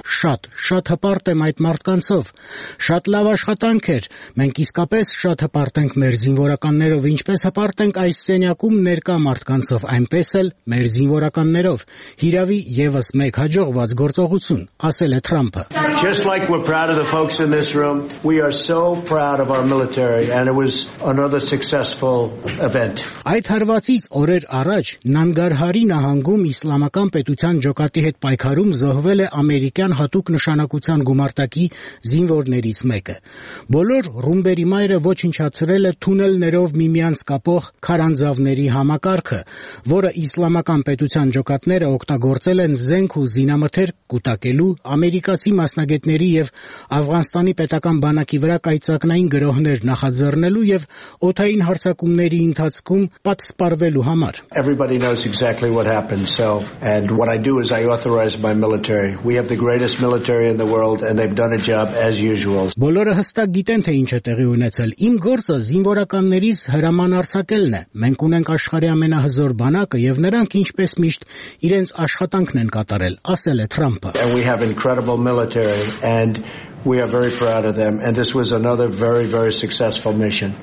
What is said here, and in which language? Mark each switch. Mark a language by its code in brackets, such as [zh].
[hy] Շատ հպարտ եմ այդ մարդկանցով։ Շատ լավ աշխատանք էր։ Մենք իսկապես շատ հպարտ ենք մեր զինվորականներով, ինչպես հպարտ ենք այս սենյակում ներկա մարդկանցով, այնպես էլ մեր զինվորականներով։ Հիրավի եւս մեկ հաջողված գործողություն, ասել է Թրամփը։ [en] Just like we're proud of the folks in this room, we are so proud of our military and it was another successful event. [hy] Այդ հարվածից օրեր առաջ Նանգարհարի նահանգում իսլամական պետության ջոկատի հետ պայքարում զոհվել է ամերիկյան հատուկ նշանակության գումարտակի զինվորներից մեկը։ Բոլոր ռումբերի մայրը ոչնչացրել է թունելներով միմյանց կապող քարանձավների համակարգը, որը իսլամական պետության ջոկատները օգտագործել են զենք ու զինամթեր կուտակելու ամերիկացի մասնագետների եւ Աֆղանստանի պետական բանակի վրա կայծակնային գրոհներ նախաձեռնելու եւ օթային հարձակումների ընթացքում պատսպարվելու համար։ [en] Everybody knows exactly what happened, so and what I do is I authorize my military. We have the greatest military in the world and they've done a job as usual. [hy] Բոլորը հստակ գիտեն, թե ինչ է տեղի ունեցել։ Իմ գործը զինվորականներից հրամանարձակելն է։ Մենք ունենք աշխարհի ամենահզոր բանակը եւ նրանք ինչպես միշտ իրենց աշխատանքն են կատարել, ասել է Թրամփը։ [en] And we have incredible military and We are very proud of them, and this was another very, very successful mission.